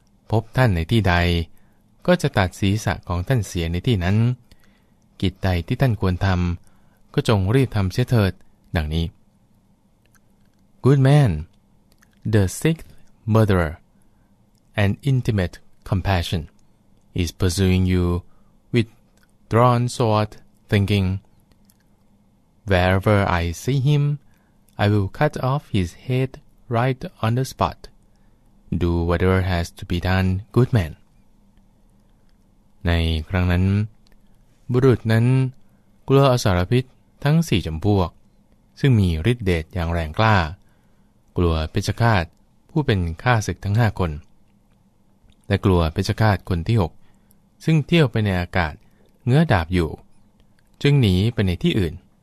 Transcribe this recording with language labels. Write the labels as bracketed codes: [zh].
[th] พบท่านในที่ใดก็จะตัดศีรษะของท่านเสียในที่นั้นกิจใดที่ท่านควรทำก็จงรีบทำเสียเถิดดังนี้ [en] Good man, the sixth murderer, an intimate compassion, is pursuing you with drawn sword, thinking, wherever I see him, I will cut off his head right on the spot. Do whatever has to be done, good man. [th] ในครั้งนั้นบุรุษนั้นกลัวอสรพิษทั้ง4จำพวกซึ่งมีฤทธิ์เดชอย่างแรงกล้ากลัวเพชฌฆาตผู้เป็นข้าศึกทั้ง5คนและกลัวเพชฌฆาตคนที่6ซึ่งเที่ยวไปในอากาศเงื้อดาบอยู่จึงหนีไปในที่อื่น